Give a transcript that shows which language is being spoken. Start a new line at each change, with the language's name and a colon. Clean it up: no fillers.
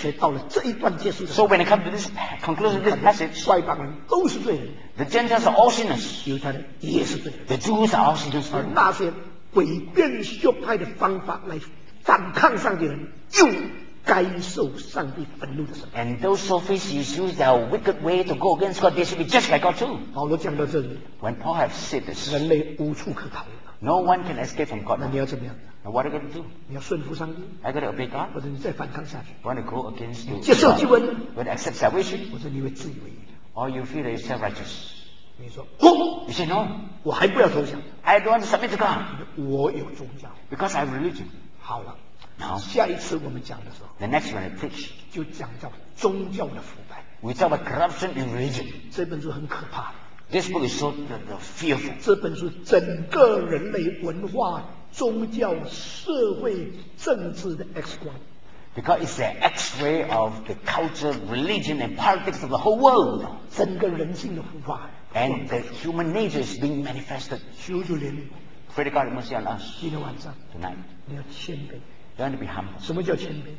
Chinese: 所以到了这一段结束的时候
English: So when it comes to this conclusion, this passage,
Chinese: 外邦人都是罪人
English: The Gentiles are all sinners.
Chinese: 犹太人也是罪人
English: The Jews are all sinners.
Chinese: 而那些诡辩学派的方法来反抗上帝的人又该受上帝愤怒的审判。
English: And those sophists use their wicked way to go against God, they should be judged by God too.
Chinese: 保罗讲到这里。
English: When Paul has said this,
Chinese: 人类无处可逃。
English: No one can escape from God.
Chinese: 那你要怎么样？
English: Now what are you going to
Chinese: do? 你要顺服上帝。
English: I got to obey God.
Chinese: 或者你再反抗下去。
English: You want to go against you?
Chinese: 接受救恩。
English: You want to accept salvation?
Chinese: 或者你会自以为意。
English: Or you feel yourself righteous?
Chinese: 你说不。
English: You say no.
Chinese: 我还不要投降。
English: I don't want to submit to God.
Chinese: 我有宗教。
English: Because I have religion.
Chinese: 好了。
English: Now,
Chinese: 下一次我们讲的时候
English: the next one I preach,
Chinese: 就讲到宗教的腐败
English: we talk about corruption in religion.
Chinese: 这本书很可怕
English: This book is so fearful.
Chinese: 这本书整个人类文化宗教社会政治的 X-ray
English: Because it's an X-ray of the culture, religion and politics of the whole world.
Chinese: 整个人性的腐败
English: And the human nature is being manifested.
Chinese: 求主怜悯
English: Pray to God mercy on us.
Chinese: 今天晚上
English: Tonight,
Chinese: 你要谦卑
English: You want to be humble.
Chinese: 什么叫谦卑？